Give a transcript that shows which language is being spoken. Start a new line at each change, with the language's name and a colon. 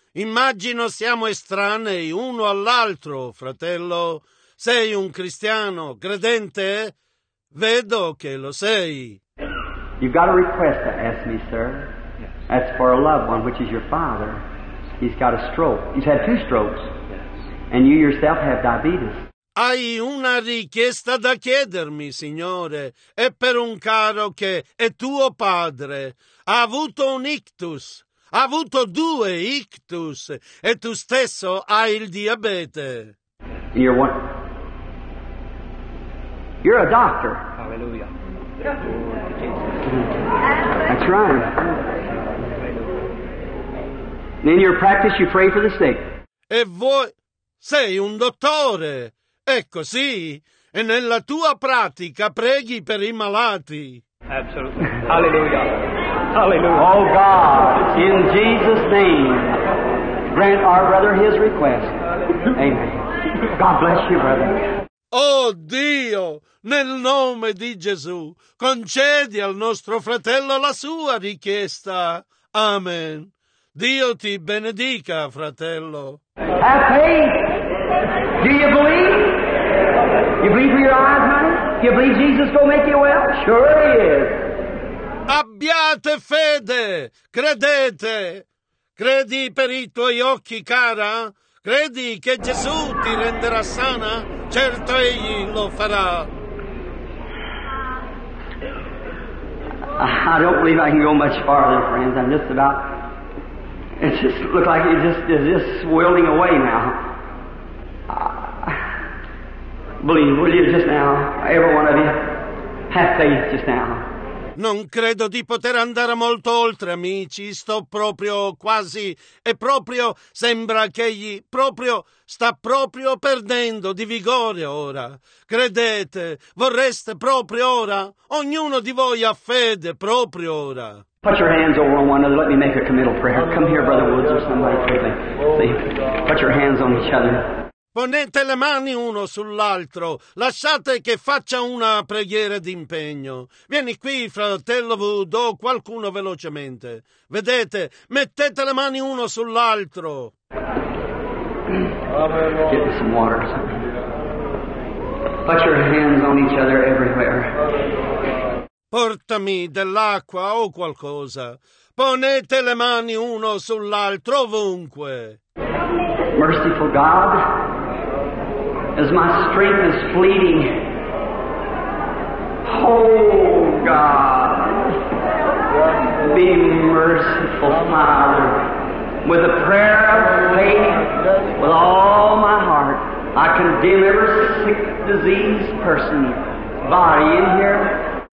Italian: Immagino siamo estranei uno all'altro, fratello. Sei un cristiano, credente? Vedo che lo sei.
English: You've got a request to ask me, sir. Yes. That's for a loved one, which is your father. He's got a stroke. He's had two strokes. Yes. And you yourself have diabetes.
Italian: Hai una richiesta da chiedermi, signore. È per un caro che è tuo padre. Ha avuto un ictus. Ha avuto due ictus. E tu stesso hai il diabete.
English: You're one. You're a doctor. Hallelujah. That's right. In your practice, you pray for the sick.
Italian: E voi sei un dottore. È così. E nella tua pratica preghi per i malati.
English: Absolutely. Hallelujah. Hallelujah. Oh God, in Jesus' name, grant our brother his request. Amen. God bless you, brother.
Italian: Oh Dio, nel nome di Gesù, concedi al nostro fratello la sua richiesta. Amen. Dio ti benedica, fratello.
English: Have faith. Do you believe? You believe with your eyes, honey? Do you believe Jesus will make you well? Sure he is.
Italian: Abbiate fede. Credete. Credi per i tuoi occhi, cara? Credi che Gesù ti renderà sana? Certo egli lo farà.
English: I don't believe I can go much farther, friends. I'm just about... It just looks like it's just wilting away now. Believe, will you just now? Every one of you, have faith just now.
Italian: Non credo di poter andare molto oltre, amici. Sto proprio quasi... E proprio sembra che egli proprio... Sta proprio perdendo di vigore ora. Credete, vorreste proprio ora? Ognuno di voi ha fede proprio ora.
English: Put your hands over on one another. Let me make a committal prayer. Come here, Brother Woods, or somebody quickly. See? Put your hands on each other.
Italian: Ponete le mani uno sull'altro. Lasciate che faccia una preghiera d'impegno. Vieni qui, fratello Wood, o qualcuno velocemente. Vedete, mettete le mani uno sull'altro.
English: Get some water. Put your hands on each other everywhere.
Italian: Portami dell'acqua o qualcosa. Ponete le mani uno sull'altro ovunque.
English: Merciful God, as my strength is fleeting. Oh God, be merciful, Father. With a prayer of faith, with all my heart, I condemn every sick, diseased person, body in here.